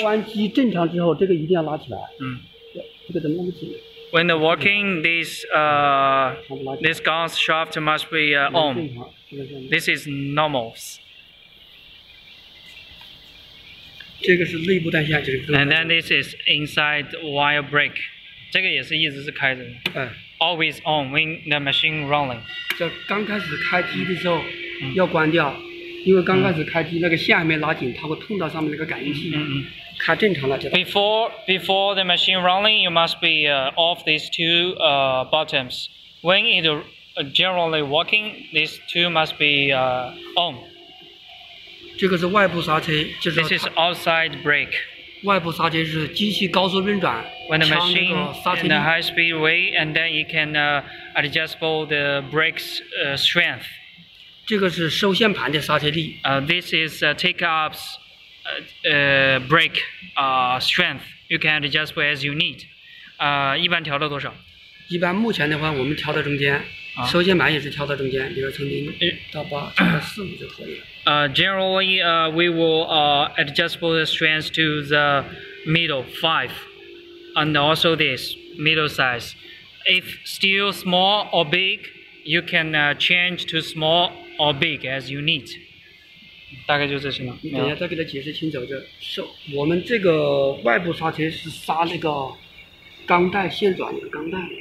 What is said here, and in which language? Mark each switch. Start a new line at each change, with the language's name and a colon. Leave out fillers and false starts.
Chinese: 开完机正常之后，这个一定要拉起来。这个怎么拉不起？
English: When the working, this gun's shaft must be on. This is normal.
Chinese: 这个是内部断线，就是。
English: And then this is inside wire break.
Chinese: 这个也是一直是开着的。
English: Always on when the machine running.
Chinese: 就刚开始开机的时候要关掉，因为刚开始开机那个下面拉紧它会碰到上面那个感应器开正常了
English: Before the machine running you must be off these two buttons when it generally working these two must be on
Chinese: 这个是外部刹车、就是、
English: This is outside brake
Chinese: 外部刹车是机器高速运转
English: When the machine in a high speed way and then it can adjust the brake's strength
Chinese: 这个是收线盘的刹车力
English: This is take up's brake strength You can adjust as you need
Chinese: 一般调到多少一般目前的话我们调到中间收线盘也是调到中间比如说从零到八调到四五就可以了
English: Generally, we will adjust the strength to the middle, 5, and also this, middle size. If still small or big, you can change to small or big as you need.
Chinese: 大概就这些了。你等一下再给他解释清楚，就我们这个外部刹车是刹那个钢带线转的钢带。